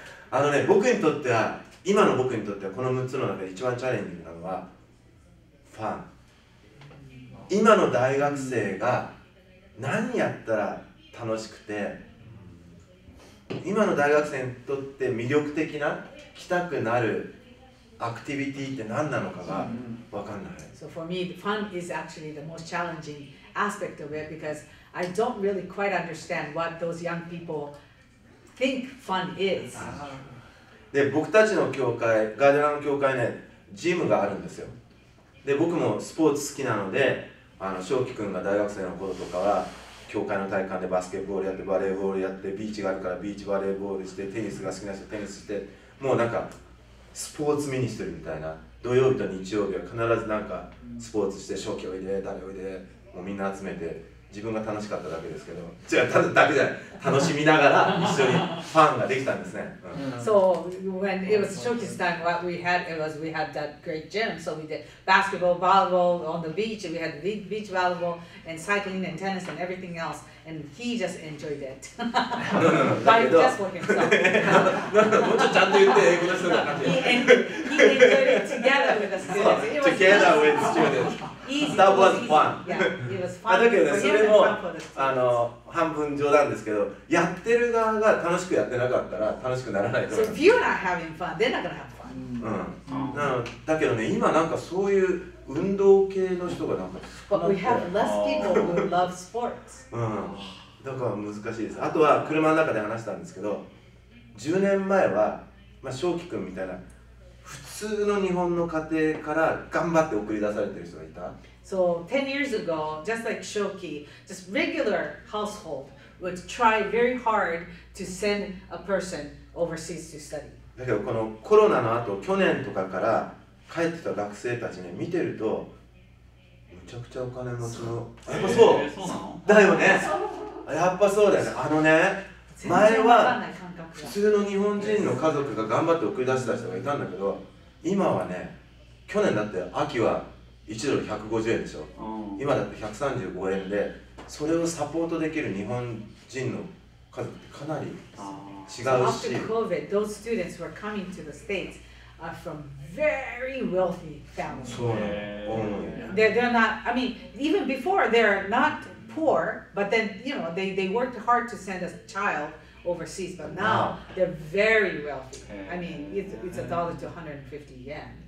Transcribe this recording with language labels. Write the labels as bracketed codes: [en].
[ja] あのね、僕にとっては、今の僕にとってはこの6つの中で一番チャレンジングなのはファン。今の大学生が何やったら楽しくて、今の大学生にとって魅力的な、来たくなるアクティビティって何なのかが分かんない。 [en] So for me, the fun is actually the most challenging aspect of it because I don't really quite understand what those young people think fun is. [ja] で、僕たちの教会、ガーデラの教会ね、ジムがあるんですよ。で、僕もスポーツ好きなので、あの翔輝くんが大学生の頃とかは教会の体育館でバスケットボールやってバレーボールやってビーチがあるからビーチバレーボールしてテニスが好きな人テニスしてもうなんかスポーツミニストリーみたいな土曜日と日曜日は必ずなんかスポーツして翔輝おいで誰おいでもうみんな集めて自分が楽しかっただけですけど違うただだけじゃない楽しみながら一緒にファンができたんですね。 [en] So when it was Shoki's time, what we had it was we had that great gym. So we did basketball, volleyball on the beach. We had beach volleyball and cycling and tennis and everything else. And he just enjoyed it. But it just for himself. [ja] もうちょっとちゃんと言って英語の人だから。 [en] He enjoyed it together with the students. Together with students. Easy, that was fun. Yeah, it was fun. [ja] だけどね、それもあの半分冗談ですけど、やってる側が楽しくやってなかったら楽しくならないと思う。 [en] So if you're not having fun, they're not gonna have fun. [ja] うん。だけどね、今なんかそういう運動系の人がなんか。 [en] But we have less people who love sports. [ja] うん。だから難しいです。あとは車の中で話したんですけど、10年前は、まあ、翔輝くんみたいな。普通の日本の家庭から頑張って送り出されてる人がいた。 [en] So 10 years ago, just like Shoki, just regular household would try very hard to send a person overseas to study. [ja] だけどこのコロナの後、去年とかから帰ってた学生たちね、見てるとむちゃくちゃお金持ちの、やっぱそう、そうなの？だよね。やっぱそうだよね。あのね、前は普通の日本人の家族が頑張って送り出した人がいたんだけど今はね去年だって秋は1ドル150円でしょ、うん、今だって135円でそれをサポートできる日本人の家族ってかなり違うし、 [en] after COVID, those students were coming to the States are from very wealthy families. [ja] そうなの、ね、 [en] they're not, I mean, even before they're not poor, but then, you know, they worked hard to send a childoverseas, but now they're very wealthy. I mean, it's a dollar to 150 yen.